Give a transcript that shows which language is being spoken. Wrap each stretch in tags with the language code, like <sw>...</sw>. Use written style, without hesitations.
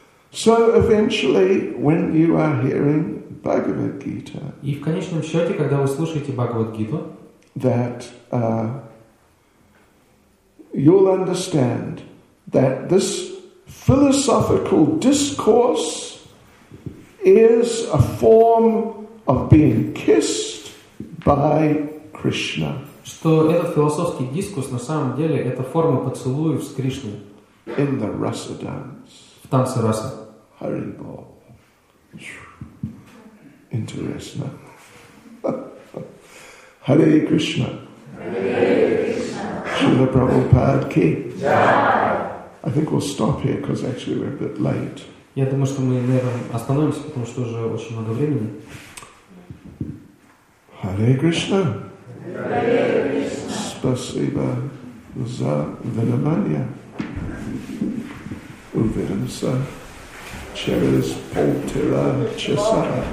<en>So eventually, when you are hearing Bhagavad Gita,</en> <ru>и в конечном счете, когда вы слушаете Бхагавад Гиту,</ru> <en>that you'll understand that this philosophical discourse is a form of being kissed by Krishna.</en> <ru>Что этот философский дискурс на самом деле это форма поцелуев с Кришной.</ru> <en>In the Rasa dance.</en> <ru>В танце Раса.</ru> <sa>Hari Bol.</sa> <en>Interesting.</en> <sa>Hare Krishna. Hare Krishna. Srila Prabhupada ki. Jai.</sa> <en>I think we'll stop here because actually we're a bit late.</en> <ru>Я думаю, что мы, наверное, остановимся, потому что уже очень много времени. Hare Krishna. Спасибо за внимание. Увидимся через полтора часа.</ru>